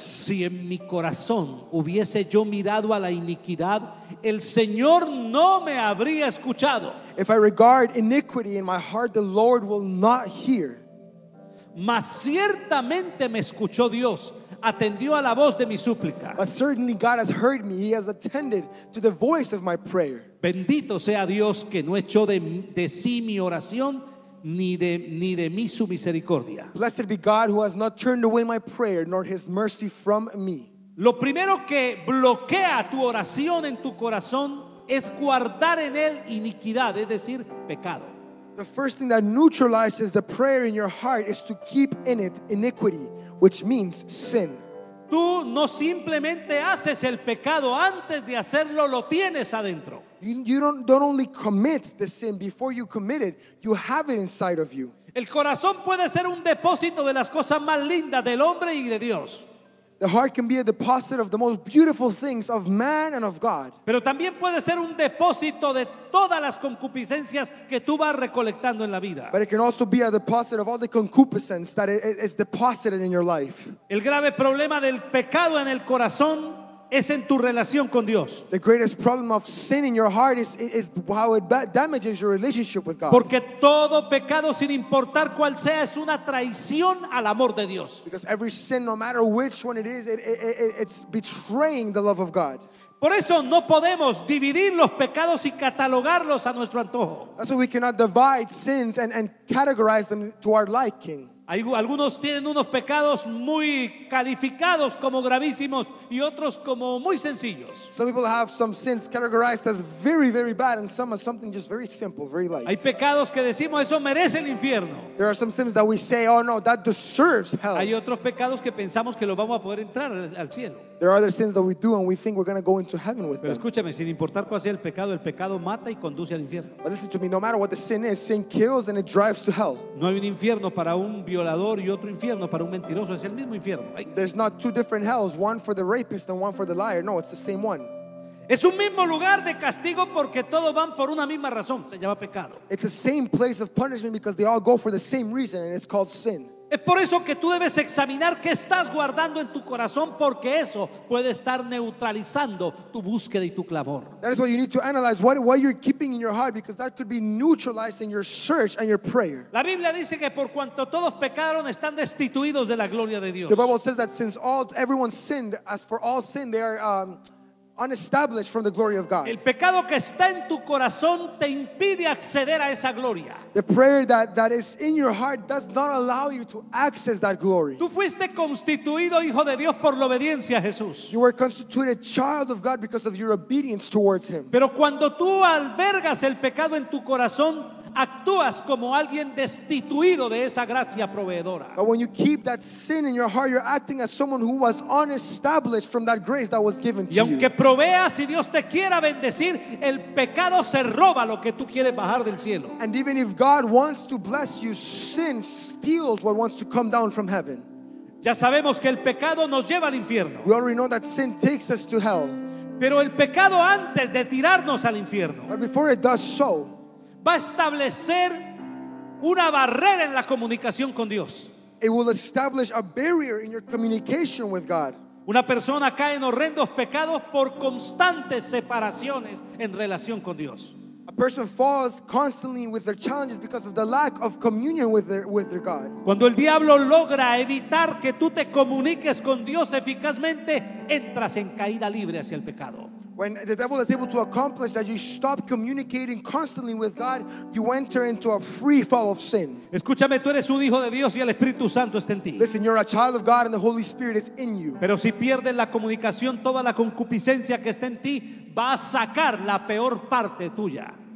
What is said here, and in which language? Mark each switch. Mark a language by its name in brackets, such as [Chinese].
[Spanish] Si en mi corazón hubiese yo mirado a la iniquidad, el Señor no me habría escuchado. [English] If I regard iniquity in my heart, the Lord will not hear. [Spanish] Mas ciertamente me escuchó Dios, atendió a la voz de mi súplica. [English] But certainly God has heard me, he has attended to the voice of my prayer. [Spanish] Bendito sea Dios que no echó de sí mi oración ni de mí su misericordia. [English] Blessed be God who has not turned away my prayer nor his mercy from me. [Spanish] Lo primero que bloquea tu oración en tu corazón es guardar en él iniquidad, es decir, pecado. [English] The first thing that neutralizes the prayer in your heart is to keep in it iniquity, which means sin. [Spanish] Tú no simplemente haces el pecado, antes de hacerlo lo tienes adentro. [English] You don't only commit the sin, before you commit it, you have it inside of you. [Spanish] El corazón puede ser un depósito de las cosas más lindas del hombre y de Dios. [English] The heart can be a deposit of the most beautiful things of man and of God. [Spanish] Pero también puede ser un depósito de todas las concupiscencias que tú vas recolectando en la vida. [English] But it can also be a deposit of all the concupiscence that is deposited in your life. [Spanish] El grave problema del pecado en el corazón es en tu relación con Dios. [English] The greatest problem of sin in your heart is how it damages your relationship with God. [Spanish] Porque todo pecado, sin importar cuál sea, es una traición al amor de Dios. [English] Because every sin, no matter which one it is, it's betraying the love of God. [Spanish] Por eso no podemos dividir los pecados y catalogarlos a nuestro antojo. [English] That's why we cannot divide sins and categorize them to our liking. [Spanish] Algunos tienen unos pecados muy calificados como gravísimos y otros como muy sencillos. [English] Some people have some sins categorized as very, very bad, and some as something just very simple, very light. [Spanish] Hay pecados que decimos eso merece el infierno. [English] There are some sins that we say, oh no, that deserves hell. Hay otros pecados que pensamos que lo vamos a poder entrar al cielo. There are other sins that we do and we think we're going to go into heaven with them. [Spanish] Pero escúchame, sin importar cuál sea el pecado mata y conduce al infierno. [English] But listen to me, no matter what the sin is, sin kills and it drives to hell. [Spanish] No hay un infierno para un violador y otro infierno para un mentiroso, es el mismo infierno. Ay. [English] There's not two different hells, one for the rapist and one for the liar. No, it's the same one. [Spanish] Es un mismo lugar de castigo porque todos van por una misma razón, se llama pecado. [English] It's the same place of punishment because they all go for the same reason and it's called sin. [Spanish] Es por eso que tú debes examinar qué estás guardando en tu corazón, porque eso puede estar neutralizando tu búsqueda y tu clamor. [English] That is why you need to analyze what you're keeping in your heart, because that could be neutralizing your search and your prayer. [Spanish] La Biblia dice que por cuanto todos pecaron están destituidos de la gloria de Dios. [English] The Bible says that since everyone sinned, as for all sin, they are unestablished from the glory of God. [Spanish] El pecado que está en tu corazón te impide acceder a esa gloria. [English] The prayer that is in your heart does not allow you to access that glory. [Spanish] Tú fuiste constituido hijo de Dios por la obediencia a Jesús. [English] You were constituted child of God because of your obedience towards him. [Spanish] Pero cuando tú albergas el pecado en tu corazón, actúas como alguien destituido de esa gracia proveedora. [English] But when you keep that sin in your heart, you're acting as someone who was unestablished from that grace that was given to you. [Spanish] Y aunque proveas y Dios te quiera bendecir, el pecado se roba lo que tú quieres bajar del cielo. [English] And even if God wants to bless you, sin steals what wants to come down from heaven. [Spanish] Ya sabemos que el pecado nos lleva al infierno. [English] We already know that sin takes us to hell. [Spanish] Pero el pecado antes de tirarnos al infierno, [English] but before it does so, [Spanish] va a establecer una barrera en la comunicación con Dios. [English] It will establish a barrier in your communication with God. [Spanish] Una persona cae en horrendos pecados por constantes separaciones en relación con Dios. [English] A person falls constantly with their challenges because of the lack of communion with their God. [Spanish] Cuando el diablo logra evitar que tú te comuniques con Dios eficazmente, entras en caída libre hacia el pecado. [English] When the devil is able to accomplish that, you stop communicating constantly with God, you enter into a free fall of sin. [Spanish] Escúchame, tú eres un hijo de Dios y el Espíritu Santo está en ti. [English] Listen, you're a child of God and the Holy Spirit is in you. [Spanish] Pero si pierdes la comunicación, toda la concupiscencia que está en ti va a sacar la peor parte tuya.